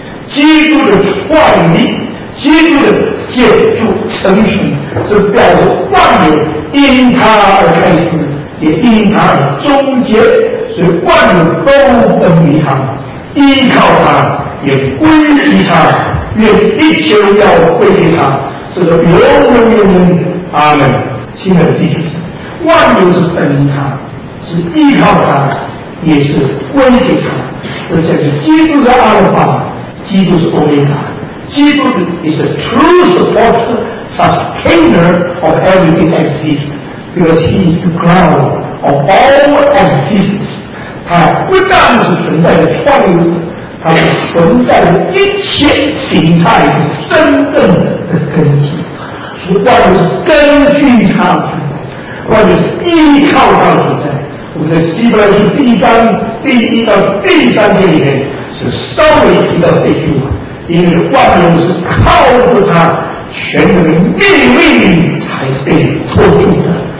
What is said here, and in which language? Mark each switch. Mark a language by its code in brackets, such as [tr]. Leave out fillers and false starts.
[zh] 基督的创立，基督的建筑成型，是表示万有因他而开始，也因他而终结，所以万有都奔于他，依靠他，也归于他，愿一切荣耀归给他，这个永远永远。阿门。亲爱的弟兄姊妹，万有是等于他，是依靠他，也是归给他。这叫做基督是阿尔法，基督是欧米伽，基督 [en] is a true supporter, sustainer of everything that exists, because he is the ground of all existence. [zh] 他不但是存在的创造者，他是存在的一切形态的真正的根基。所以万物是根据他存在，万物是依靠他存在。我们在希伯来书第一章第一到第三节里面就稍微提到这句话，因为万物是靠着他全人的命运才被托住的。